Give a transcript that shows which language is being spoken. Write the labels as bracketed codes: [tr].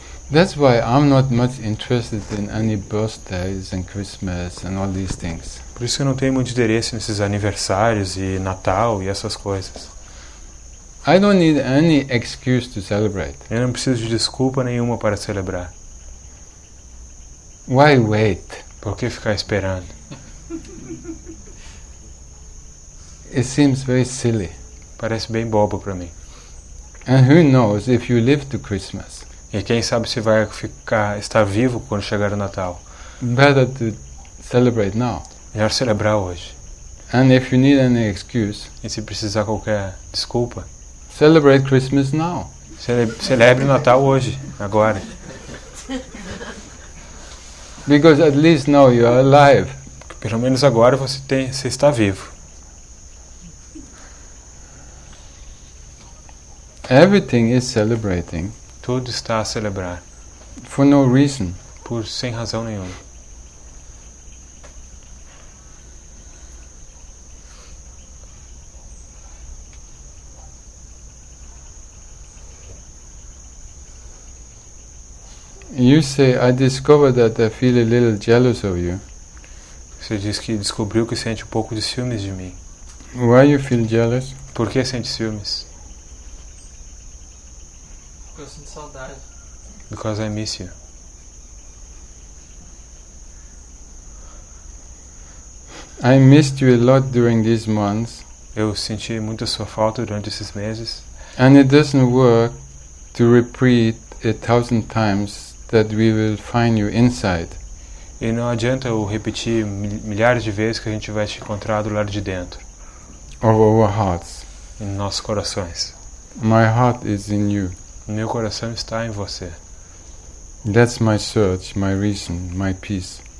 [en] That's why I'm not much interested in any birthdays and Christmas and all these things. [pt] Por isso que eu não tenho muito interesse nesses aniversários e Natal e essas coisas. [en] I don't need any excuse to celebrate. [pt] Eu não preciso de desculpa nenhuma para celebrar. [en] Why wait? [pt] Por que ficar esperando? [en] It seems very silly. [pt] Parece bem bobo para mim. [en] And who knows if you live to Christmas? [pt] E quem sabe se vai ficar, estar vivo quando chegar o Natal. [en] Better to celebrate now. [pt] Melhor celebrar hoje. [en] And if you need any excuse, [pt] e se precisar qualquer desculpa, [en] celebrate Christmas now. [pt] Celebre Natal hoje, agora. [en] Because at least now you are alive. [pt] Pelo menos agora você está vivo. [en] Everything is celebrating. [pt] Tudo está a celebrar. [en] For no reason. [pt] Por sem razão nenhuma. [en] You say I discovered that I feel a little jealous of you. [pt] Você diz que descobriu que sente um pouco de ciúmes de mim. [en] Why you feel jealous? [pt] Por que sente ciúmes? Eu sinto saudade. [en] Because I miss you. I missed you a lot during these months. [pt] Eu senti muita sua falta durante esses meses. [en] And it doesn't work to repeat 1,000 times that we will find you inside. [pt] E não adianta eu repetir milhares de vezes que a gente vai te encontrar do lado de dentro. [en] Of our hearts. [pt] Em nossos corações. [en] My heart is in you. [pt] Meu coração está em você. [en] That's my search, my reason, my peace.